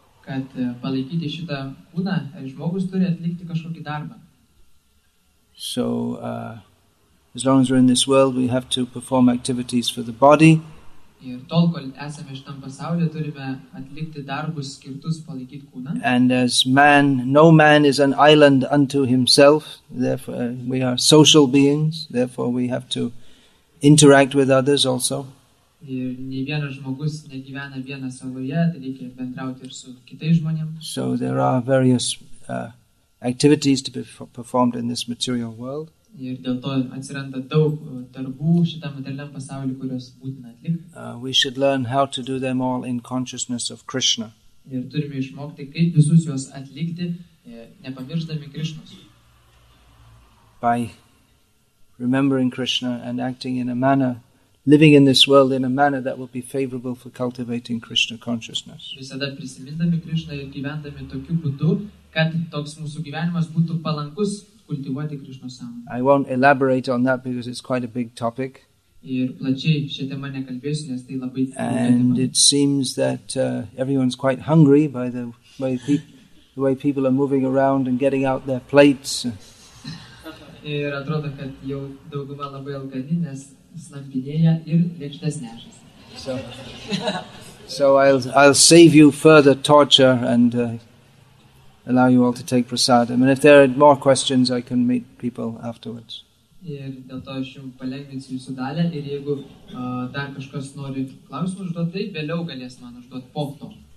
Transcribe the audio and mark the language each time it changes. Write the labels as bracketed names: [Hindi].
[Lithuanian] Kad palaikyti šitą kūną, žmogus turi atlikti kažkokį darbą. [English] So, as long as we're in this world, we have to perform activities for the body. [Lithuanian] Ir tol, kol esame šitam pasaulyje, turime atlikti darbus skirtus palaikyti kūną. [English] And as man, no man is an island unto himself, therefore we are social beings, therefore we have to interact with others also. [Lithuanian] Ir ne vienas žmogus negyvena viena savoje, tai reikia bendrauti ir su kitais žmonėmis. [English] So there are various activities to be performed in this material world. [Lithuanian] Ir dėl to atsiranda daug darbų šitam materialiam pasaulyje, kuriuos būtina atlikti. [English] We should learn how to do them all in consciousness of Krishna. [Lithuanian] Ir turime išmokti, kaip visus juos atlikti, nepamiršdami Krishnos. [English] By remembering Krishna and acting in a manner living in this world in a manner that will be favorable for cultivating Krishna consciousness. [Lithuanian] Visada prisimindami Krishna ir gyvendami tokiu būdu, kad toks mūsų gyvenimas būtų palankus kultivuoti Krishna sąmonę. [English] I won't elaborate on that because it's quite a big topic. [Lithuanian] Ir plačiai šia tema nekalbėsiu, nes tai labai didelė tema. [English] And it seems that everyone's quite hungry by the way the way people are moving around and getting out their plates. [Lithuanian] Ir atrodo, kad jau dauguma labai ilgai, nes slampinėja ir lėkštės nešas. [English] So I'll save you further torture and allow you all to take prasadam. And if there are more questions, I can meet people afterwards. [Lithuanian] Ir dėl to aš jums palengvinsiu jūsų dalę, ir jeigu dar kažkas nori klausimų užduoti, tai vėliau galės man užduoti po to.